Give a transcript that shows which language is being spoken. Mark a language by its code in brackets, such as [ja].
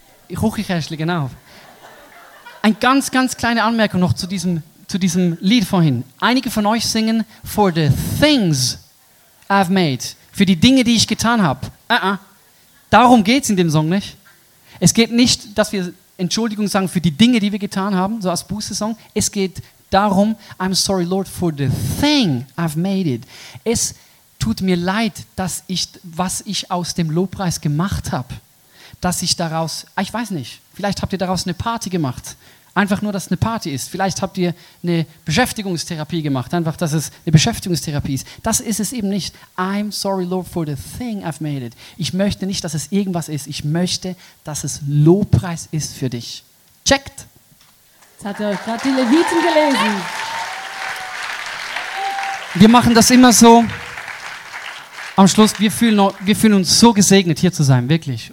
[de] Huchichäschli, genau. Eine ganz, ganz kleine Anmerkung noch zu diesem Lied vorhin. Einige von euch singen [en] for the things I've made, [de] für die Dinge, die ich getan habe. Darum geht es in dem Song nicht. Es geht nicht, dass wir Entschuldigung sagen für die Dinge, die wir getan haben, so als Buße-Song. Es geht darum, [en] I'm sorry, Lord, for the thing I've made it. [de] Es tut mir leid, dass ich, was ich aus dem Lobpreis gemacht habe, dass ich daraus, ich weiß nicht, vielleicht habt ihr daraus eine Party gemacht. Einfach nur, dass es eine Party ist. Vielleicht habt ihr eine Beschäftigungstherapie gemacht. Einfach, dass es eine Beschäftigungstherapie ist. Das ist es eben nicht. [en] I'm sorry, Lord, for the thing I've made it. [de] Ich möchte nicht, dass es irgendwas ist. Ich möchte, dass es Lobpreis ist für dich. Checkt! Jetzt hat er euch gerade die Leviten gelesen. Wir machen das immer so. Am Schluss, wir fühlen uns so gesegnet, hier zu sein, wirklich.